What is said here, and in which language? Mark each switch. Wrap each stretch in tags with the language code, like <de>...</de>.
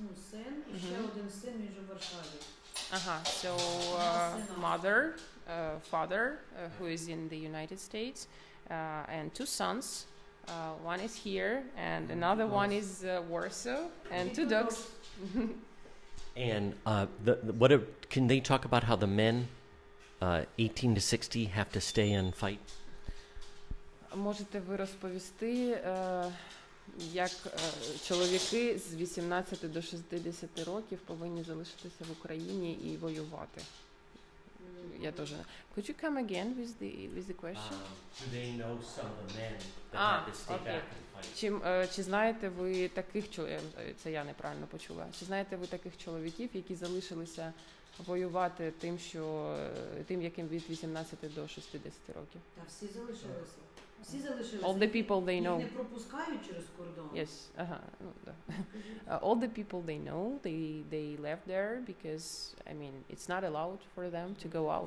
<uk>Син, і ще один син, він же в Варшаві.</uk> <en>Ага, so mother, father, who is in the United States, and two sons. One is here, and another one is Warsaw, and two dogs. And can they talk about how the men, 18 to 60, have to stay and fight?</en> <uk>Можете ви розповісти, як чоловіки з 18 до 60 років повинні залишитися в Україні і воювати?</uk> <ru>Я тоже.</ru> <en>Could you come again with the question? Do they know some of the men that have to stay back and fight?</en> <uk>Чи знаєте ви таких чоловіків, це я неправильно почула. Чи знаєте ви таких чоловіків, які залишилися воювати тим, яким від 18 до 60 років? Та всі залишилися. Всі залишилися.</uk> <en>All the people they know.</en> <uk>Їх не пропускають через кордон. Yes. Ага. Ну, да.</uk> <en>All the people they know, they left there because, I mean, it's not allowed for them to go out.</en>